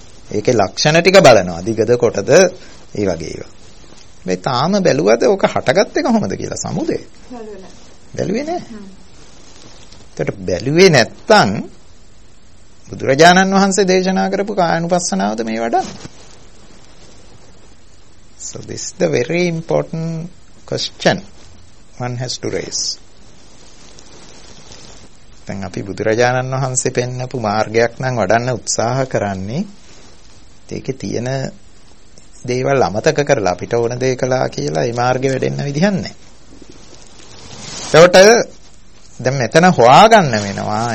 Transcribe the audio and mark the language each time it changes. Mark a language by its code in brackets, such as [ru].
[si] ඒකේ ලක්ෂණ ටික බලනවා. දිගද කොටද ඒ වගේ ඒවා. මේ තාම බැලුවද ඔක හටගත්තේ කොහොමද කියලා සමුදේ? බැලුවේ නැහැ. එතකොට බැලුවේ නැත්නම් බුදුරජාණන් වහන්සේ දේශනා කරපු කායනුපස්සනාවද මේ වඩා? [en] So this is the very important question. One has to raise. [si] දැන් අපි බුදුරජාණන් වහන්සේ පෙන්වපු මාර්ගයක් නම් වඩන්න උත්සාහ කරන්නේ ඒකේ තියෙන දේවල් අමතක කරලා අපිට ඕන දේ කළා කියලා ඒ මාර්ගෙ වැඩෙන්න විදිහක් නැහැ. එතකොට දැන් මෙතන හොයාගන්න වෙනවා.